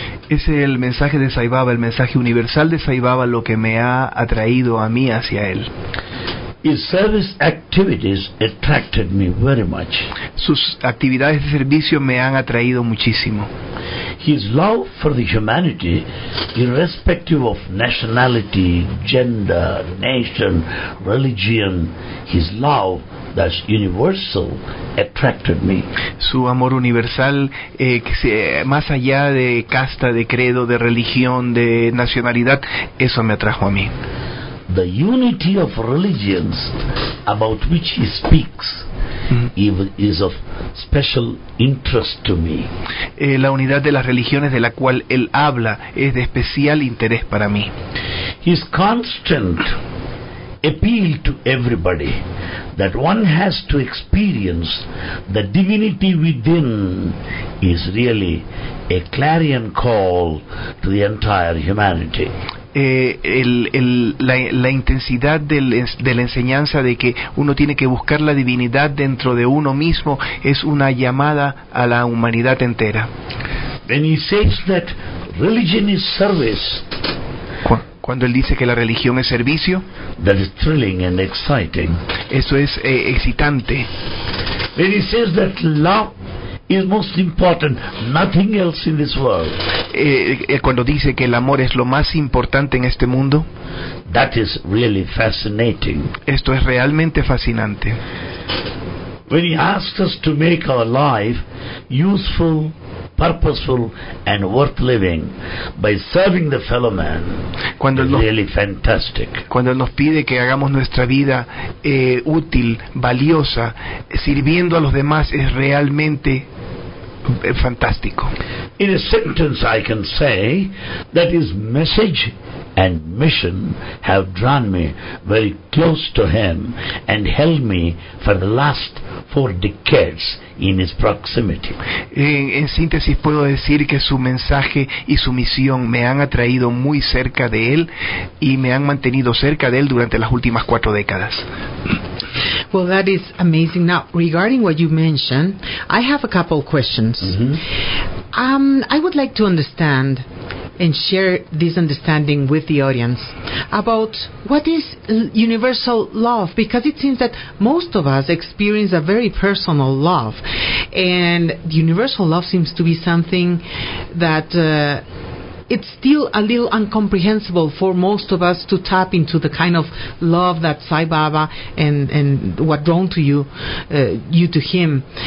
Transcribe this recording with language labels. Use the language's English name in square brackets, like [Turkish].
[Spanish] Es el mensaje de Sai Baba, el mensaje universal de Sai Baba, lo que me ha atraído a mí hacia él. [English] His service activities attracted me very much. [Spanish] Sus actividades de servicio me han atraído muchísimo. [English] His love for the humanity, irrespective of nationality, gender, nation, religion, his love that's universal attracted me. [Spanish] Su amor universal, más allá de casta, de credo, de religión, de nacionalidad, eso me atrajo a mí. [English] The unity of religions about which he speaks is of special interest to me. [Spanish] La unidad de las religiones de la cual él habla es de especial interés para mí. [English] His constant appeal to everybody that one has to experience the divinity within is really a clarion call to the entire humanity. [Spanish] La intensidad de la enseñanza de que uno tiene que buscar la divinidad dentro de uno mismo es una llamada a la humanidad entera. [English] When he says that religion is service, [Spanish] cuando él dice que la religión es servicio, [English] that is thrilling and exciting. [Spanish] Eso es excitante. [English] When he says that love is most important, nothing else in this world. [Spanish] Cuando dice que el amor es lo más importante en este mundo, [English] that is really fascinating. [Spanish] Esto es realmente fascinante. [English] When he asks us to make our life useful, purposeful and worth living by serving the fellow man, really fantastic. [Spanish] Cuando él nos pide que hagamos nuestra vida útil, valiosa, sirviendo a los demás, es realmente fantástico. [English] In a sentence, I can say that his message and mission have drawn me very close to him and held me for the last 4 decades in his proximity. [Spanish] En síntesis, puedo decir que su mensaje y su misión me han atraído muy cerca de él y me han mantenido cerca de él durante las últimas 4 décadas. [English] Well, that is amazing. Now, regarding what you mentioned, I have a couple of questions. Mm-hmm. I would like to understand and share this understanding with the audience about what is universal love, because it seems that most of us experience a very personal love, and universal love seems to be something that it's still a little incomprehensible for most of us to tap into the kind of love that Sai Baba and what drawn to you, you to him.